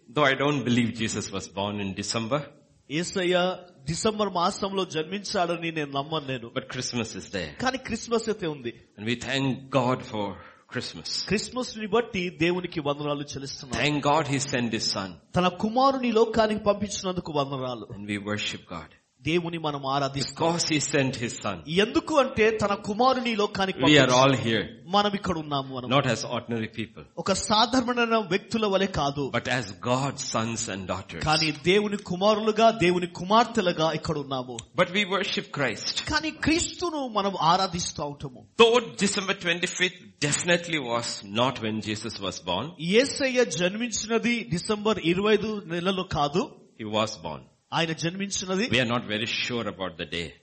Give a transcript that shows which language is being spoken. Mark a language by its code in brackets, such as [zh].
[en] Though I don't believe Jesus was born in December. [te] Yesayya December మాసంలో జన్మించాడని నేను నమ్మను నేను. [en] But Christmas is there. [te] కానీ క్రిస్మస్ అయితే ఉంది. [en] And we thank God for Christmas. [te] Christmas ని బట్టి దేవునికి వందనాలు చెల్లిస్తున్నాం. [en] Thank God he send his son. [te] తన కుమారుని లోకానికి పంపించినందుకు వందనాలు. [en] And we worship God. [te] దేవుని మనం ఆరాధిస్తాం. ఎందుకు అంటే తన కుమారుని లోకానికి. [en] We are all here. [te] మనం ఇక్కడ ఉన్నాము. [en] Not as ordinary people. [te] ఒక సాధారణ వ్యక్తుల వలె కాదు. [en] But as God's sons and daughters. [te] కానీ దేవుని కుమారులుగా దేవుని కుమార్తెలుగా ఇక్కడ ఉన్నాము. [en] But we worship Christ. [te] కానీ క్రీస్తును మనం ఆరాధిస్తూ ఉంటాము. [en] Though December 25th definitely was not when Jesus was born. [te] Yesayya జన్మించినది December 25 నెలలో కాదు. [en] He was born. [te] ఆయన జన్మించినది. [en] We are not very sure about the day.